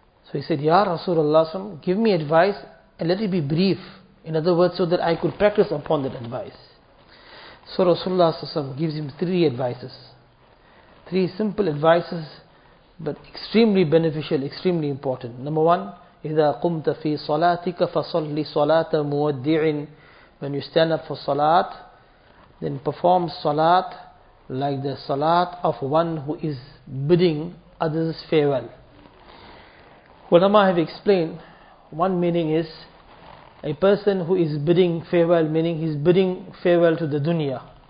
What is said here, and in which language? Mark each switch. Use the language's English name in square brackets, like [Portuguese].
[English] So he said, Ya Rasulullah, give me advice and let it be brief. In other words, so that I could practice upon that advice. So Rasulullah gives him three advices. Three simple advices, but extremely beneficial, extremely important. Number one, [Arabic] إِذَا قُمْتَ فِي صَلَاتِكَ فَصَلِّ صَلَاتَ مُوَدِّعٍ. [English] When you stand up for salat, then perform salat like the salat of one who is bidding others farewell. Ulama have explained, one meaning is, a person who is bidding farewell, meaning he is bidding farewell to the dunya.